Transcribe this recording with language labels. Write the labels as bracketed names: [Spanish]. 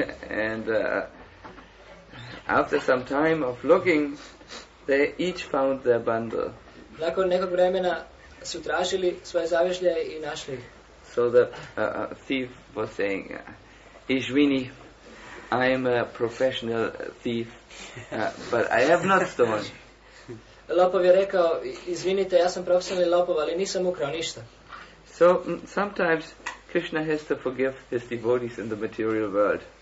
[English] And after some time of looking, they each found their bundle. [Croatian] Nakon nekog vremena su tražili svoje zavešlje i našli. [English] So the thief was saying, Ishvini, I am a professional thief, but I have not stolen. [Croatian] Lopov je rekao, izvinite, ja sam profesionalni lopov, ali nisam ukrao ništa. [English] So, sometimes Krishna has to forgive his devotees in the material world.